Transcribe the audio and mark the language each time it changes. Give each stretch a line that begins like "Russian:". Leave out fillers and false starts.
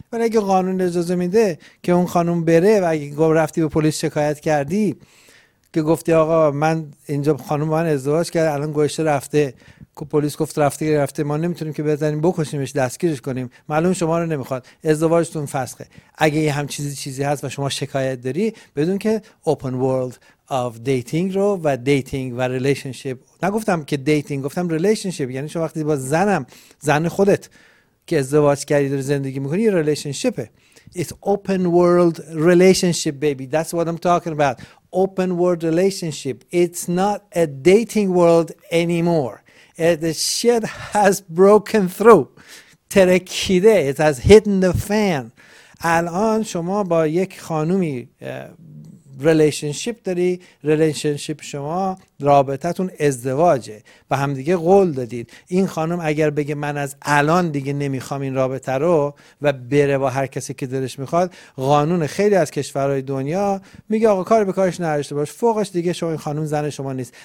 Persian: ولی اگه قانون اجازه میده که اون خانم بره و اگه رفتی به پلیس شکایت کردی که گفتی آقا من اینجا خانم من ازدواج کرد الان گوشه رفته، پلیس گفت رفته ما نمیتونیم که بزنیم بکشیمش دستگیرش کنیم، معلوم شما رو نمیخواد، ازدواجتون فسخه. اگه یه هم چیزی هست و شما شکایت داری بدون که
English: open world of dating
Persian: رو و دیتینگ و ریلیشنشیپ، نگفتم که دیتینگ گفتم ریلیشنشیپ، یعنی شما وقتی با زنم زن خودت که ازدواج کردی در زندگی میکنی ریلیشنشیپه.
English: It's open world relationship baby, that's what I'm talking about. Open world relationship, it's not a dating world anymore. The shit has broken through.
Persian: ترکیده.
English: It has hidden the fan.
Persian: الان شما با یک خانومی ریلیشنشیپ داری، ریلیشنشیپ شما رابطتون ازدواجه و همدیگه قول دادید. این خانم اگر بگه من از الان دیگه نمیخوام این رابطه رو و بره با هر کسی که دلش میخواد، قانون خیلی از کشورهای دنیا میگه آقا کار به کارش نداشته باش، فوقش دیگه شما این خانم زن شما نیست.